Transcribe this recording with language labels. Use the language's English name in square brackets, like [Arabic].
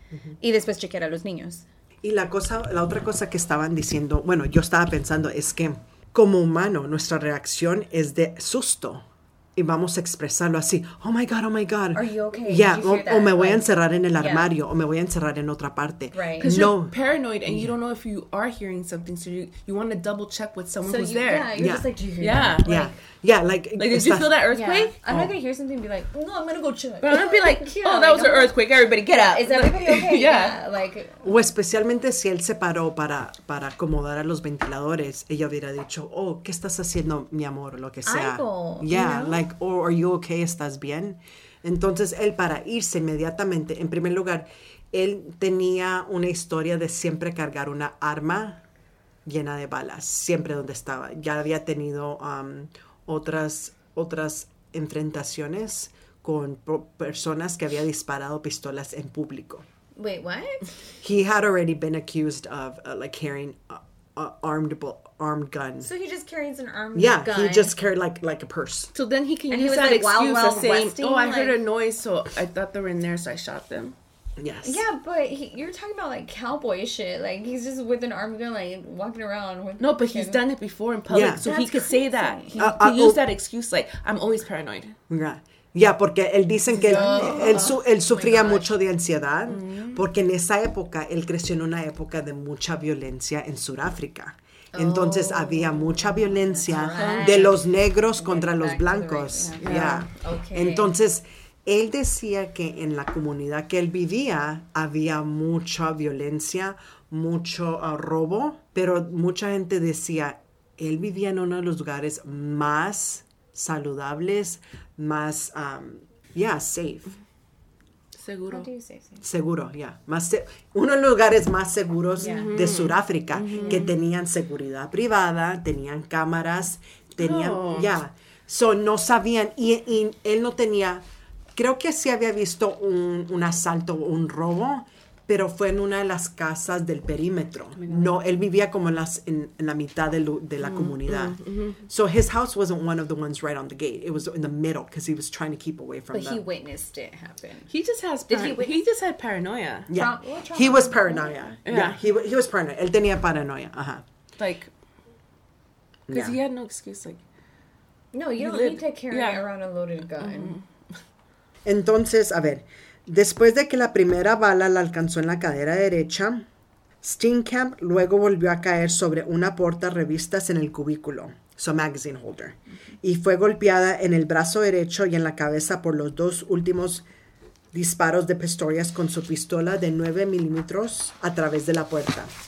[Spanish] Uh-huh. Y después chequear a los niños. Y la otra cosa que estaban diciendo, bueno, yo estaba pensando, es que como humano, nuestra reacción es de susto. Y vamos a expresarlo así. [English] Oh, my God, oh, my God. Are you okay? Yeah. O me voy a encerrar en el armario. Yeah. O me voy a encerrar en otra parte. Right. Because you're paranoid and you don't know if you are hearing something. So you want to double check with someone who's there. Yeah, you're just like, do you hear that? Yeah. Like, yeah. Like did you feel that earthquake? Yeah. I'm not going to hear something and be like, no, I'm going to go check. But I'm going to be like, oh, that was an earthquake. Everybody, get out. Is everybody okay? Yeah. Like, [Spanish] o especialmente si él se paró para acomodar a los ventiladores, ella hubiera dicho, oh, ¿qué estás haciendo, mi amor? Lo que sea. [English] Yeah, like. Like, oh, are you okay? [Spanish] ¿Estás bien? Entonces, él para irse inmediatamente, en primer lugar, él tenía una historia de siempre cargar una arma llena de balas, siempre donde estaba. Ya había tenido otras enfrentaciones con personas que había disparado pistolas en público. [English] Wait, what? He had already been accused of, like, carrying armed gun. So he just carries an armed gun. Yeah, he just carried like a purse. So then he can use that excuse of saying, oh, I heard a noise, so I thought they were in there, so I shot them. Yes. Yeah, but you're talking about like cowboy shit. Like he's just with an armed gun, like walking around. No, but he's done it before in public, so he could say that. He could use that excuse, like, I'm always paranoid. Yeah. [Spanish] Yeah, porque él dicen que él sufría mucho de ansiedad, porque en esa época él creció en una época de mucha violencia en Sudáfrica. Entonces había mucha violencia de los negros contra los blancos. Yeah. Entonces él decía que en la comunidad que él vivía había mucha violencia, mucho robo, pero mucha gente decía él vivía en uno de los lugares más saludables, más, safe. Seguro. [English] How do you say safe? [Spanish] Seguro, yeah. Uno de los lugares más seguros de Sudáfrica, que tenían seguridad privada, tenían cámaras, tenían, So, no sabían, y él no tenía, creo que sí había visto un asalto o un robo, pero fue en una de las casas del perímetro. No, él vivía como en la mitad de la comunidad. [English] So his house wasn't one of the ones right on the gate. It was in the middle because he was trying to keep away from them. But he witnessed it happen. He just had paranoia. Yeah. He was paranoia. Yeah. He was paranoia. [Spanish] Él tenía paranoia. [English] Uh-huh. Like, because he had no excuse. No, you don't need to carry around a loaded gun. Mm-hmm. [Spanish] Entonces, a ver. Después de que la primera bala la alcanzó en la cadera derecha, Steenkamp luego volvió a caer sobre una porta revistas en el cubículo, [English] so magazine holder, [Spanish] y fue golpeada en el brazo derecho y en la cabeza por los dos últimos disparos de Pistorius con su pistola de 9 milímetros a través de la puerta.